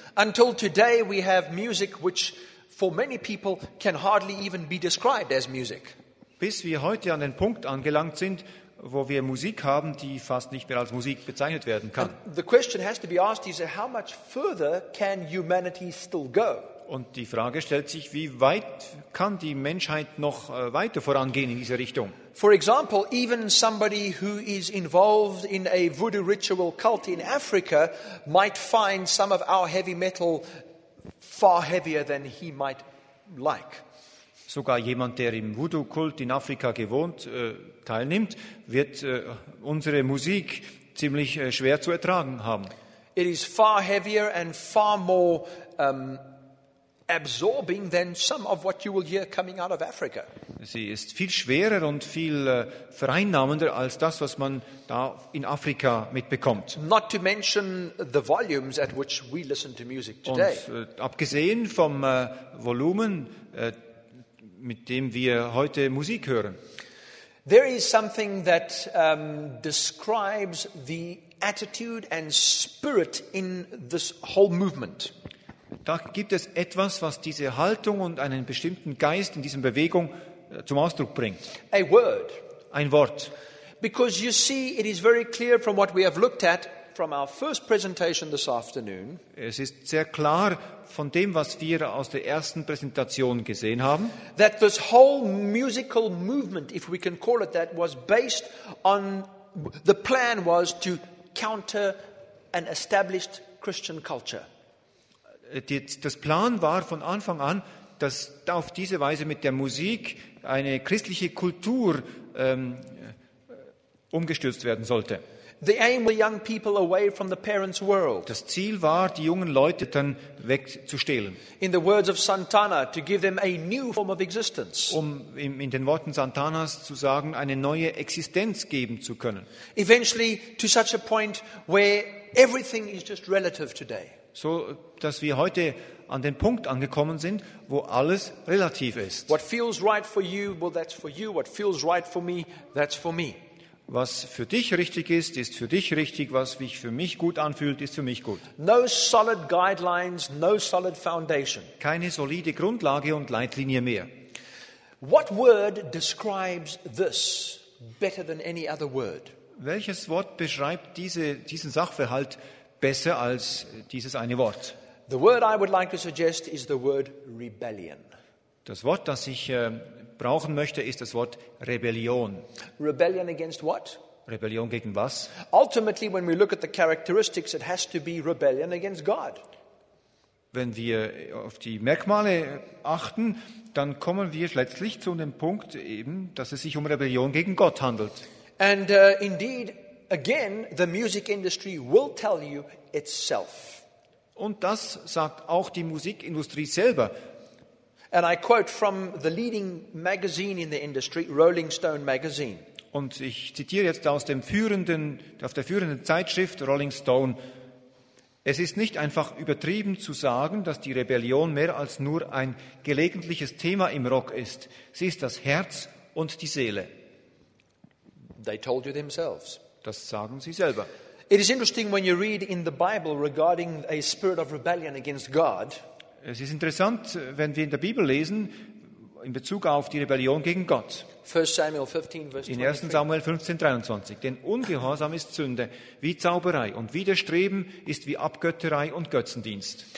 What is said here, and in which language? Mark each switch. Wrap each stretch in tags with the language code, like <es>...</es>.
<en>Until today we have music which for many people can hardly even be described as music.</en> <de>Bis wir heute an den Punkt angelangt sind, wo wir Musik haben, die fast nicht mehr als Musik bezeichnet werden kann.</de> <en>The question has to be asked is how much further can humanity still go?</en> <de>Und die Frage stellt sich, wie weit kann die Menschheit noch weiter vorangehen in dieser Richtung?</de> <en>For example, even somebody who is involved in a voodoo ritual cult in Africa might find some of our heavy metal far heavier than he might like.</en> <de>Sogar jemand, der im Voodoo-Kult in Afrika gewohnt teilnimmt, wird unsere Musik ziemlich schwer zu ertragen haben.</de> <en>It is far heavier and far more absorbing than some of what you will hear coming out of Africa.</en> <de>Sie ist viel schwerer und viel vereinnahmender als das, was man da in Afrika mitbekommt.</de> <en>Not to mention the volumes at which we listen to music today.</en> <de>Und abgesehen vom Volumen, mit dem wir heute Musik hören.</de> <en>There is something that describes the attitude and spirit in this whole movement.</en> <de>Da gibt es etwas, was diese Haltung und einen bestimmten Geist in dieser Bewegung zum Ausdruck bringt.</de> <en>A word.</en> <de>Ein Wort.</de> <en>Because you see, it is very clear from what we have looked at from our first presentation this afternoon.</en> <de>Es ist sehr klar von dem, was wir aus der ersten Präsentation gesehen haben.</de> <en>That this whole musical movement, if we can call it that, was based on the plan was to counter an established Christian culture.</en> <de>Das Plan war von Anfang an, dass auf diese Weise mit der Musik eine christliche Kultur umgestürzt werden sollte.</de> <en>The aim were young people away from the parents' world.</en> <de>Das Ziel war, die jungen Leute dann wegzustehlen.</de> <en>In the words of Santana, to give them a new form of existence.</en> <de>Um in den Worten Santanas zu sagen, eine neue Existenz geben zu können.</de> <en>Eventually to such a point where everything is just relative today.</en> <de>So dass wir heute an den Punkt angekommen sind, wo alles relativ ist.</de> <en>What feels right for you, well that's for you. What feels right for me, that's for me.</en> <de>Was für dich richtig ist, ist für dich richtig. Was sich für mich gut anfühlt, ist für mich gut.</de> <en>No solid guidelines, no solid foundation.</en> <de>Keine solide Grundlage und Leitlinie mehr.</de> <en>What word describes this better than any other word?</en> <de>Welches Wort beschreibt diesen Sachverhalt besser als dieses eine Wort?</de> <en>The word I would like to suggest is the word rebellion.</en> <de>Das Wort, das ich brauchen möchte, ist das Wort Rebellion.</de> <en>Rebellion against what?</en> <de>Rebellion gegen was?</de> <en>Ultimately, when we look at the characteristics, it has to be rebellion against God.</en> <de>Wenn wir auf die Merkmale achten, dann kommen wir letztlich zu dem Punkt, eben, dass es sich um Rebellion gegen Gott handelt.</de> <en>And indeed, again, the music industry will tell you itself.</en> <de>Und das sagt auch die Musikindustrie selber.</de> <en>And I quote from the leading magazine in the industry, Rolling Stone magazine.</en> <de>Und ich zitiere jetzt aus dem führenden, auf der führenden Zeitschrift Rolling Stone. Es ist nicht einfach übertrieben zu sagen, dass die Rebellion mehr als nur ein gelegentliches Thema im Rock ist. Sie ist das Herz und die Seele.</de> <en>They told you themselves.</en> <de>Das sagen sie selber.</de> <en>It is interesting when you read in the Bible regarding a spirit of rebellion against God.</en> <de>Es ist interessant, wenn wir in der Bibel lesen, in Bezug auf die Rebellion gegen Gott.</de> <en>1 Samuel 15, verse 23.</en> <de>In 1. Samuel 15, 23. Denn Ungehorsam ist Sünde, wie Zauberei, und Widerstreben ist wie Abgötterei und Götzendienst.</de>